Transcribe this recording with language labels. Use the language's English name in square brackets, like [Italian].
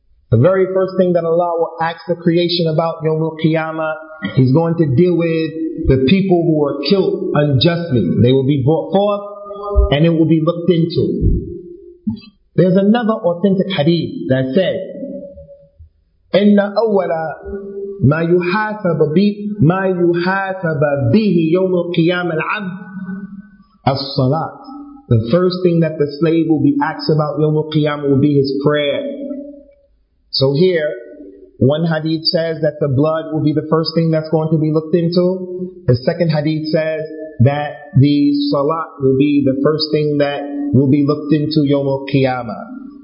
[English] The very first thing that Allah will ask the creation about Yawmul Qiyamah, He's going to deal with the people who were killed unjustly. They will be brought forth and it will be looked into. There's another authentic hadith that says, [Arabic] إِنَّ أَوَّلَ ما يحاسب به ما يحاسب به يوم القيامة العبد الصلاة. [English] The first thing that the slave will be asked about [Arabic] يوم القيامة [English] will be his prayer. So here, one hadith says that the blood will be the first thing that's going to be looked into. The second hadith says that the salat will be the first thing that will be looked into [Arabic] يوم القيامة.